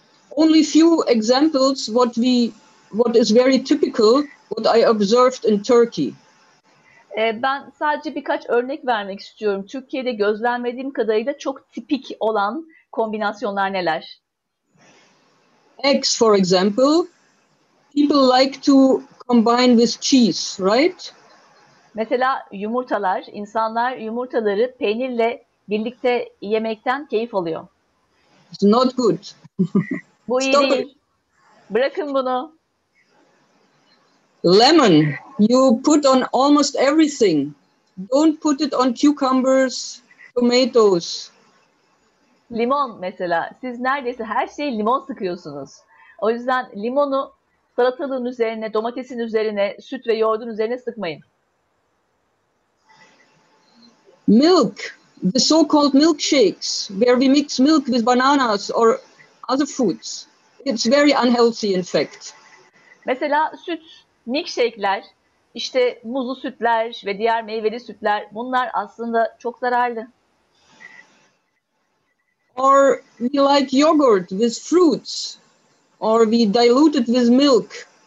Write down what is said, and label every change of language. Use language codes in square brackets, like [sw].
[en] Only few examples what is very typical what I observed in Turkey. [tr] Ben sadece birkaç örnek vermek istiyorum. Türkiye'de gözlemlediğim kadarıyla çok tipik olan kombinasyonlar neler? [en] Eggs, for example, people like to combine with cheese, right? [tr] Mesela yumurtalar, insanlar yumurtaları peynirle birlikte yemekten keyif alıyor. [en] It's not good. [tr] Bu iyi değil. Bırakın bunu. [en] Lemon, you put on almost everything. Don't put it on cucumbers, tomatoes. [tr] Limon mesela, siz neredeyse her şeye limon sıkıyorsunuz. O yüzden limonu salatalığın üzerine, domatesin üzerine, süt ve yoğurdun üzerine sıkmayın. [en] Milk, the so-called milkshakes, where we mix milk with bananas or other foods. It's very unhealthy in fact. [tr] Mesela süt, milkshake'ler, işte muzlu sütler ve diğer meyveli sütler, bunlar aslında çok zararlı. [en] Or we like yogurt with fruits, or we dilute it with milk.